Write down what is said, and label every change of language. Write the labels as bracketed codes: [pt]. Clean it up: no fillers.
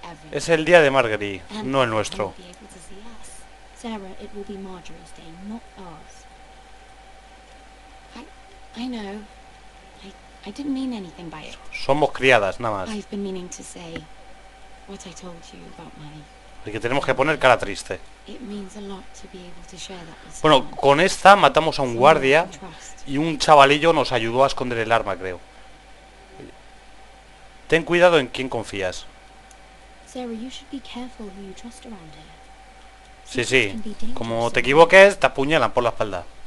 [es] Es el día de Margaery, no el nuestro. [en] Sarah, it will be Marjorie's day, not ours. I know. I didn't mean anything by it. [es] Somos criadas, nada más. [en] I've been meaning to say what I told you about my... [es] Que tenemos que poner cara triste. [en] It means a lot to be able to share that. [es] Bueno, con esta matamos a un guardia y un chavalillo nos ayudó a esconder el arma, creo. Ten cuidado en quién confías. [en] Sarah, you should be careful who you trust around here. [es] Sí. Como te equivoques, te apuñalan por la espalda.